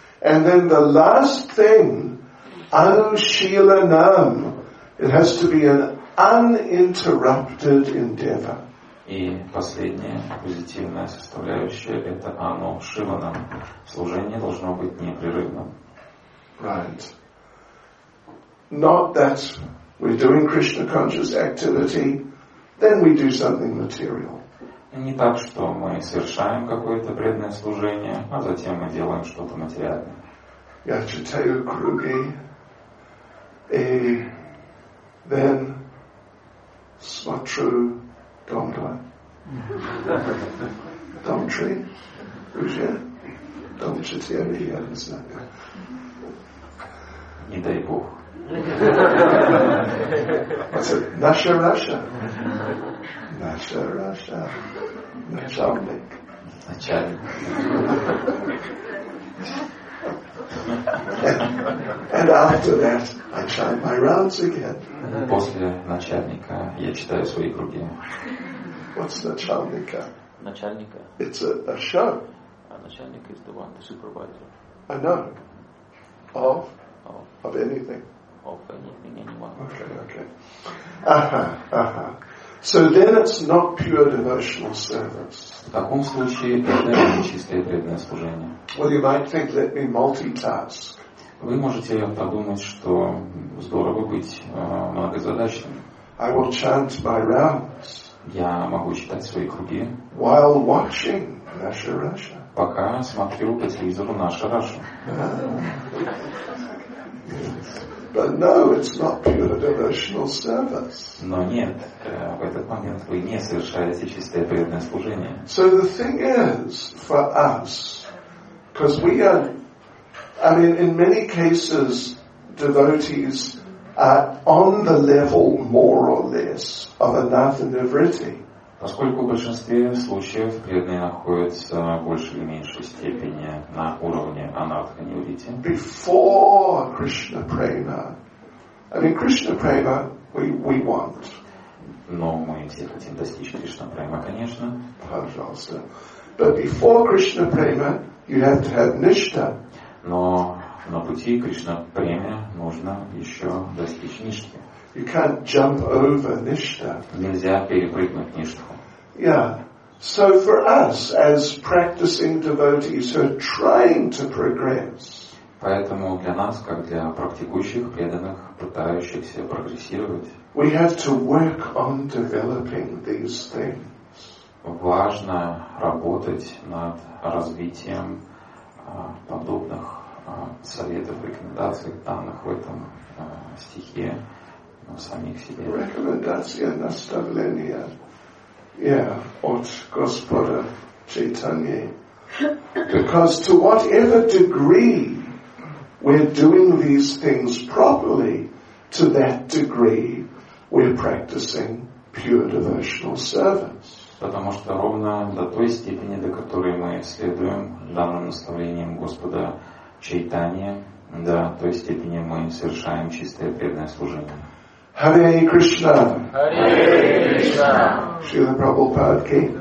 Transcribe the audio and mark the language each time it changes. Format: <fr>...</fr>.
<en>And then the last thing, anushilanam, it has to be an uninterrupted endeavor.</en> <ru>И последняя позитивная составляющая – это анушилнам. Служение должно быть непрерывным.</ru> <en>Right. Not that we're doing Krishna conscious activity, then we do something material.</en> <ru>Не так, что мы совершаем какое-то преданное служение, а затем мы делаем что-то материальное. Yachitayu Krugi, then Smatru Dongla. Domtri, Ruja, Domchitiri, and Snaka. Не дай Бог.</ru> <en>What's it? Nasha Rasha.</en> <ru>Nasha Rasha. Начальник. Начальник.</ru> <en>And after that, I chant my rounds again.</en> <ru>После начальника я читаю свои круги.</ru> <en>What's</en> <ru>начальника? Начальника.</ru> <en>It's a show.</en> <ru>А начальник</ru> <en>is the one, the supervisor. I know. Of anything. Of anything, anyone. Okay. So then it's not pure devotional service.</en> <ru>В таком случае это не чистое преданное служение.</ru> <en>Well, you might think, let me multitask.</en> <ru>Вы можете подумать, что здорово быть многозадачным.</ru> <en>I will chant my rounds.</en> <ru>Я могу читать свои круги.</ru> <en>While watching Russia, Russia.</en> <ru>Пока смотрю по телевизору «Наша Раша».</ru> <en>But no, it's not pure devotional service.</en> <ru>Но нет, в этот момент вы не совершаете чистое преданное служение.</ru> <en>So the thing is for us, because we are, I mean, in many cases, devotees are on the level more or less of another nivritti.</en> <ru>Поскольку в большинстве случаев преданные находятся в большей или меньшей степени на уровне анартха нивритти.</ru> <en>Before Krishna prema. I mean, Krishna prema we want.</en> <ru>Но мы все хотим достичь Кришна према, конечно. Пожалуйста.</ru> <en>But before Krishna prema, you have to have nishta.</en> <ru>Но на пути Кришна преме нужно еще достичь нишки.</ru> <en>You can't jump over nishta.</en> <ru>Нельзя перепрыгнуть нишку.</ru> <en>Yeah. So for us as practicing devotees who are trying to progress.</en> <ru>Поэтому для нас, как для практикующих преданных, пытающихся прогрессировать,</ru> <en>we have to work on developing these things.</en> <ru>Важно работать над развитием подобных советов, рекомендаций, данных в этом стихе. Рекомендация наставления, yeah, от Господа Чайтанья.</ru> <en>Because to whatever degree we're doing these things properly, to that degree we're practicing pure devotional service.</en> <ru>Потому что ровно до той степени, до которой мы следуем данным наставлениям Господа Чайтанья, до той степени мы совершаем чистое преданное служение.</ru> <sa>Hare Krishna. Hare Krishna. Srila Prabhupada ki.</sa>